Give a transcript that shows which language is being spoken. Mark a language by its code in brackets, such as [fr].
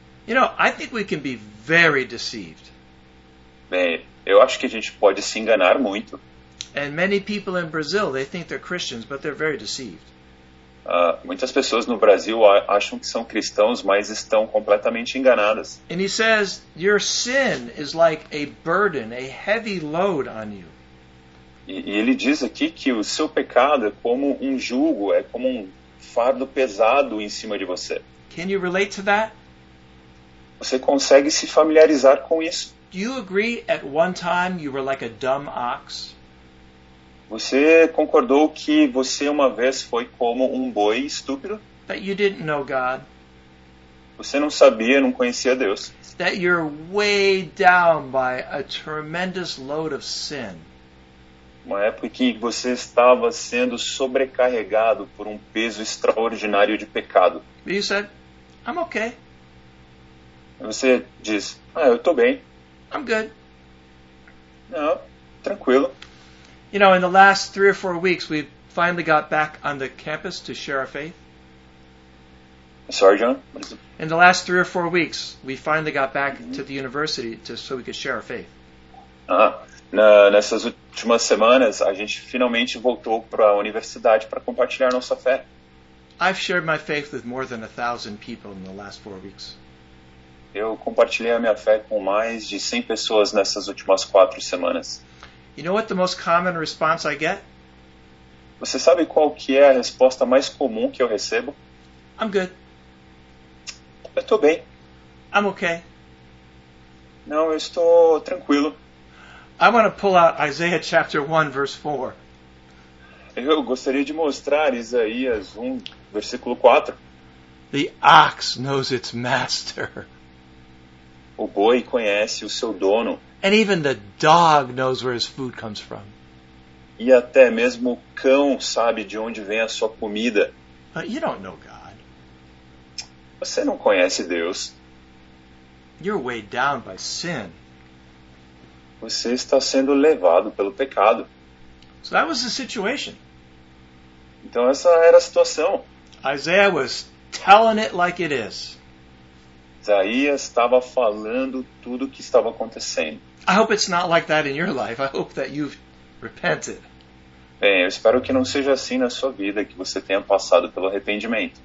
[en] You know, I think we can be very deceived. [pt] Bem, eu acho que a gente pode se enganar muito. [en] And many people in Brazil, they think they're Christians, but they're very deceived. [pt] Muitas pessoas no Brasil acham que são cristãos, mas estão completamente enganadas. [en] And he says, your sin is like a burden, a heavy load on you. [pt] E ele diz aqui que o seu pecado é como um jugo, é como um fardo pesado em cima de você. [en] Can you relate to that? [pt] Você consegue se familiarizar com isso? [en] Do you agree at one time you were like a dumb ox? [pt] Você concordou que você uma vez foi como um boi estúpido? [en] That you didn't know God. [pt] Você não sabia, não conhecia Deus. [en] That you're weighed down by a tremendous load of sin. [pt] Uma época em que você estava sendo sobrecarregado por um peso extraordinário de pecado. [en] You said, I'm okay. [pt] Você diz, ah, eu estou bem. [en] I'm good. [pt] Não, tranquilo. [en] You know, in the last 3 or 4 weeks, we finally got back on the campus to share our faith. Sorry, John. In the last 3 or 4 weeks, we finally got back to the university so we could share our faith. [pt] Nessas últimas semanas, a gente finalmente voltou para a universidade para compartilhar nossa fé. [en] I've shared my faith with more than 1,000 people in the last 4 weeks. [pt] Eu compartilhei a minha fé com mais de 100 pessoas nessas últimas 4 semanas. [en] You know what the most common response I get? [pt] Você sabe qual que é a resposta mais comum que eu recebo? [en] I'm good. [pt] Eu tô bem. [en] I'm okay. [pt] Não, eu estou tranquilo. [en] I want to pull out Isaiah chapter 1 verse 4. [pt] Eu gostaria de mostrar Isaías 1 versículo 4. [en] The ox knows its master. [pt] O boi conhece o seu dono. [en] And even the dog knows where his food comes from. [pt] E até mesmo o cão sabe de onde vem a sua comida. [en] But you don't know God. [pt] Você não conhece Deus. [en] You're weighed down by sin. [pt] Você está sendo levado pelo pecado. [en] So that was the situation. [pt] Então essa era a situação. [en] Isaiah was telling it like it is. [pt] Isaías estava falando tudo o que estava acontecendo. [en] I hope it's not like that in your life. I hope that you've repented. [pt] Bem, eu espero que não seja assim na sua vida, que você tenha passado pelo arrependimento.